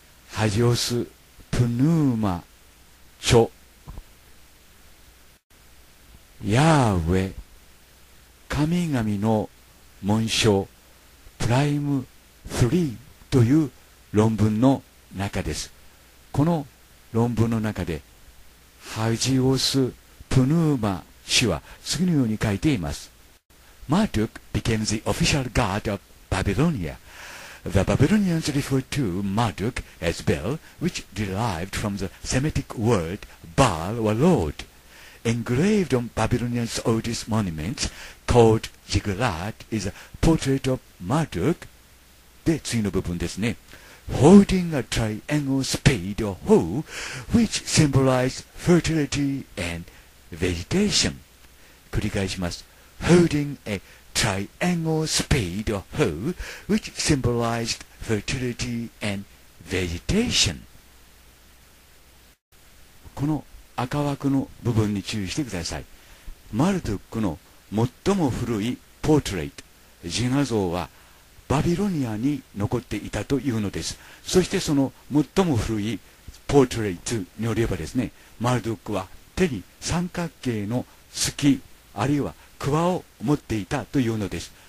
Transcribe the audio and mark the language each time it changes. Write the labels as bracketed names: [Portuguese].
[Japanese] ハジオス・プヌーマ著、ヤーウェ、神々の紋章プライム3という論文の中です。この論文の中でハジオス・プヌーマ氏は次のように書いています。 [English] Marduk became the official god of Babylonia. The Babylonians referred to Marduk as Bel, which derived from the Semitic word Baal or Lord. Engraved on Babylonians' oldest monuments called Ziggurat is a portrait of Marduk. [Japanese] で、次の部分ですね。 [English] Holding a triangle spade or hoe, which symbolized fertility and vegetation. [Japanese] 繰り返します。 [English] Holding a triangle spade or hoe, which symbolized fertility and vegetation. [Japanese] この赤枠の部分に注意してください。マルドックの最も古いポートレート、自画像はバビロニアに残っていたというのです。そしてその最も古いポートレートによればですね、マルドックは手に三角形の鋤あるいは鍬を持っていたというのです。